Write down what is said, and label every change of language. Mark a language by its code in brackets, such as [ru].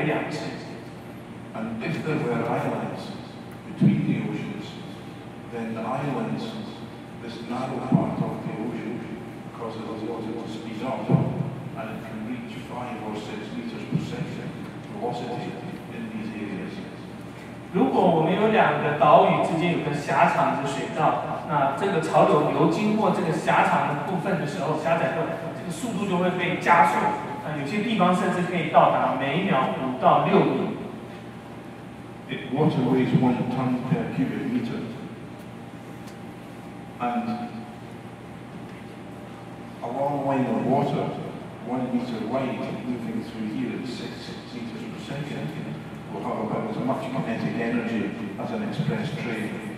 [en] if there were islands between the oceans, then the islands, this narrow part of the ocean, causes the water to speed up, and it can reach 5 or 6 meters per second velocity in these areas. [zh] 如果我们有两个岛屿之间有个狭长的水道，那这个潮流流经过这个狭长的部分的时候，狭窄部分，这个速度就会被加速。有些地方甚至可以到达每秒5到6米。 [en] It water weighs 1 ton per cubic meter, and a long line of water, 1 meter wide, moving through here at 6 meters per second. Will have about as much kinetic energy as an express train.